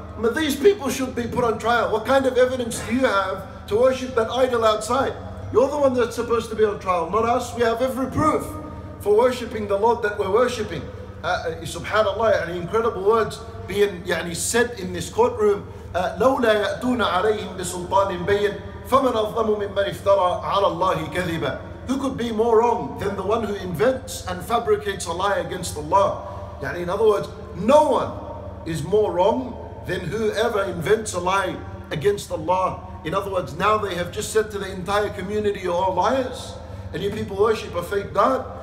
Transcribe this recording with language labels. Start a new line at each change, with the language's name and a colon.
English: But these people should be put on trial. What kind of evidence do you have to worship that idol outside? You're the one that's supposed to be on trial, not us. We have every proof for worshipping the Lord that we're worshipping. SubhanAllah, yani incredible words being yani said in this courtroom.
Arabic: لولا يأتون عليهم بسلطان بين فمن أظلم ممن افترى على الله كذبا.
English: Who could be more wrong than the one who invents and fabricates a lie against Allah? Yani in other words, no one is more wrong than whoever invents a lie against Allah. In other words, now they have just said to the entire community, you're all liars, and you people worship a fake God.